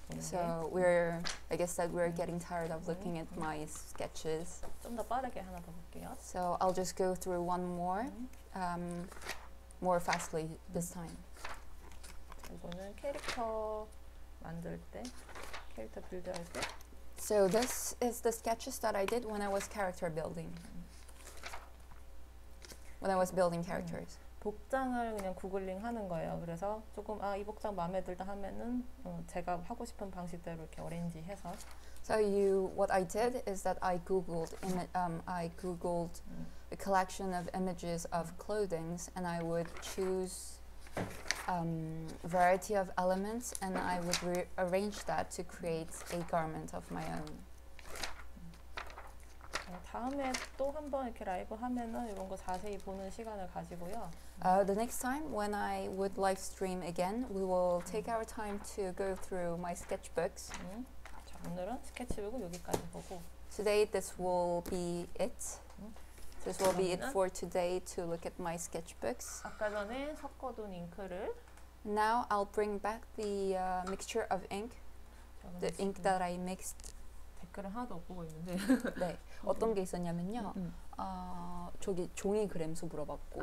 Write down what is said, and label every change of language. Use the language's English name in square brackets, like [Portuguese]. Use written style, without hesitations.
[English] So we're, I guess that we're getting tired of looking at my sketches. [Korean] 좀 더 빠르게 하나 더 볼게요. [English] So I'll just go through one more, more fastly this time. [Korean] 이거는 캐릭터 만들 때, 캐릭터 빌드 할 때. [English] So this is the sketches that I did when I was character building. When I was building characters. [Korean] 복장을 그냥 구글링 하는 거예요. 그래서 조금 이 복장 마음에 들다 하면은 제가 하고 싶은 방식대로 이렇게 어레인지 해서. [English] So you, what I did is that I googled I googled a collection of images of clothings, and I would choose variety of elements, and I would rearrange that to create a garment of my own. [Korean] 다음에 또 한 번 이렇게 라이브 하면은 이런 거 자세히 보는 시간을 가지고요. [English] The next time when I would live stream again, we will take our time to go through my sketchbooks. [Korean] 자, 오늘은 스케치북을 여기까지 보고. [English] Today this will be it. This will be it for today to look at my sketchbooks. [Korean] 아까 전에 섞어둔 잉크를. [English] Now I'll bring back the mixture of ink. The ink that I mixed. [Korean] 댓글을 하나도 못 보고 있는데. 네. 어떤 게 있었냐면요. 저기 종이 그램수 물어봤고.